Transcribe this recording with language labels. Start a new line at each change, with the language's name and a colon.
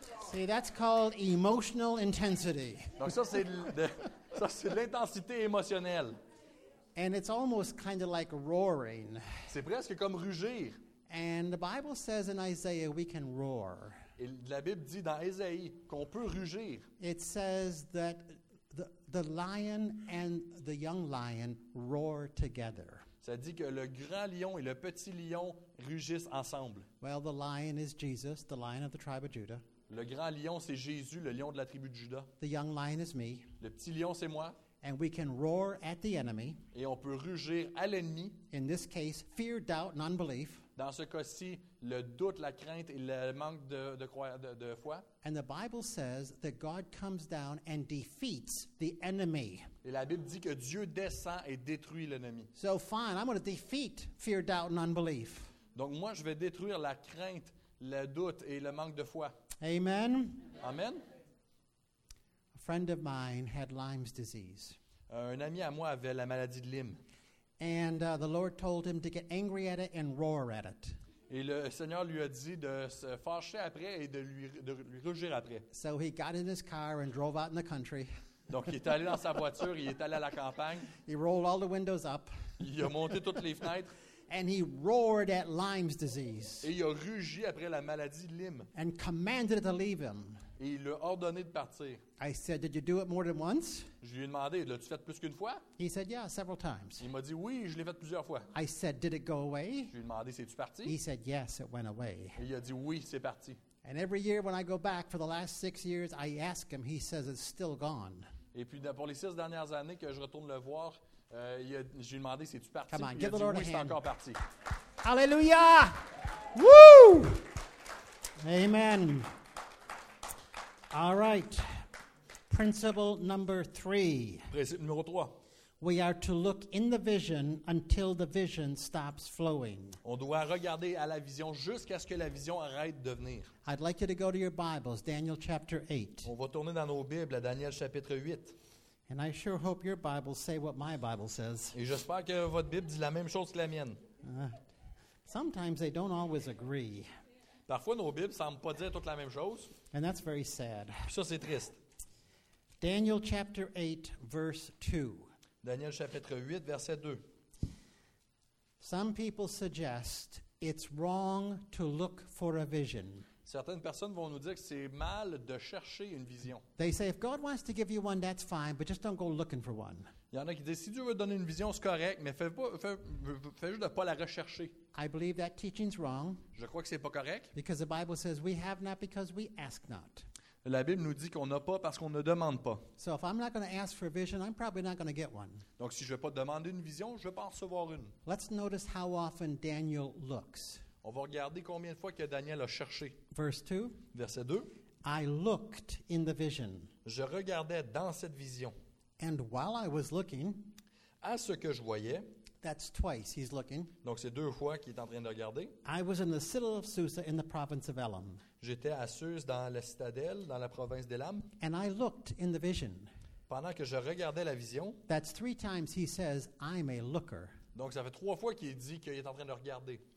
English: See, that's called emotional intensity.
French: Donc ça c'est l'intensité émotionnelle.
English: And it's almost kind of like roaring.
French: C'est presque comme rugir.
English: And the Bible says in Isaiah we can roar.
French: Et la Bible dit dans Ésaïe qu'on peut rugir.
English: It says that the lion and the young lion roar together.
French: Ça dit que le grand lion et le petit lion rugissent ensemble.
English: Well, the lion is Jesus, the lion of the tribe of Judah.
French: Le grand lion, c'est Jésus, le lion de la tribu de Juda.
English: The young lion is me.
French: Le petit lion, c'est moi.
English: And we can roar at the enemy.
French: Et on peut rugir à l'ennemi.
English: In this case, fear, doubt, and unbelief.
French: Dans ce cas-ci, le doute, la crainte et le manque de foi.
English: And the Bible says that God comes down and defeats the enemy.
French: Et la Bible dit que Dieu descend et détruit l'ennemi.
English: So fine, I'm going to defeat fear, doubt, and unbelief.
French: Donc moi, je vais détruire la crainte, le doute et le manque de foi.
English: Amen.
French: Amen.
English: A friend of mine had Lyme's disease.
French: Un ami à moi avait la maladie de Lyme.
English: And the Lord told him to get angry at it and roar at it.
French: Et le Seigneur lui a dit de se fâcher après et de lui rugir après.
English: So he got in his car and drove out in the country.
French: Donc il est allé dans sa voiture, il est allé à la campagne.
English: He rolled all the windows up.
French: Il a monté toutes les fenêtres.
English: And he roared at Lyme's disease.
French: Et il a rugi après la maladie de Lyme.
English: And commanded it to leave him.
French: Et il lui a ordonné de partir.
English: I said, did you do it more than once?
French: Je lui ai demandé, l'as-tu fait plus qu'une fois?
English: He said, yeah, several times.
French: Il m'a dit, oui, je l'ai fait plusieurs fois.
English: I said, did it go away?
French: Je lui ai demandé, c'est-tu parti?
English: He said, yes, it went away.
French: Et il a dit, oui, c'est parti.
English: And every year when I go back for the last 6 years, I ask him, he says, it's still gone.
French: Et puis pour les 6 dernières années que je retourne le voir, je lui ai demandé, c'est-tu parti?
English: Come on, give the Lord a hand.
French: Il a dit, oui, c'est encore parti.
English: Hallelujah! Woo! Amen. All right. Principle number 3.
French: Principe numéro 3.
English: We are to look in the vision until the vision stops flowing.
French: On doit regarder à la vision jusqu'à ce que la vision arrête de venir.
English: I'd like you to go to your Bibles, Daniel chapter 8.
French: On va tourner dans nos Bibles à Daniel chapitre 8.
English: And I sure hope your Bibles say what my Bible says.
French: Et j'espère que votre Bible dit la même chose que la mienne.
English: Sometimes they don't always agree.
French: Parfois, nos Bibles ne semblent pas dire toutes la même chose.
English: And that's very sad.
French: Puis ça, c'est triste.
English: Daniel chapter 8, verse 2.
French: Daniel chapitre 8, verset 2.
English: Some people suggest it's wrong to look for a vision.
French: Certaines personnes vont nous dire que c'est mal de chercher une vision.
English: They say, if God wants to give you one, that's fine, but just don't go looking for one.
French: Il y en a qui disent, si Dieu veut donner une vision, c'est correct, mais fais juste de ne pas la rechercher.
English: I believe that teaching's wrong.
French: Je crois que ce n'est pas correct.
English: Because the Bible says, we have not because we ask not.
French: La Bible nous dit qu'on n'a pas parce qu'on ne demande pas.
English: So if I'm not going to ask for a vision, I'm probably not going to get one.
French: Donc si je ne vais pas demander une vision, je ne vais pas en recevoir une.
English: Let's notice how often Daniel looks.
French: On va regarder combien de fois que Daniel a cherché. Verset 2.
English: I looked in the vision.
French: Je regardais dans cette vision.
English: And while I was looking,
French: à ce que je voyais,
English: that's twice he's looking.
French: Donc c'est deux fois qu'il est en train de regarder.
English: I was in the city of Susa in the province of Elam.
French: J'étais à Susa dans la citadelle, dans la province d'Elam.
English: And I looked in the vision.
French: Pendant que je regardais la vision,
English: that's three times he says, I'm a looker.
French: Donc ça fait trois fois qu'il dit qu'il est en train de regarder.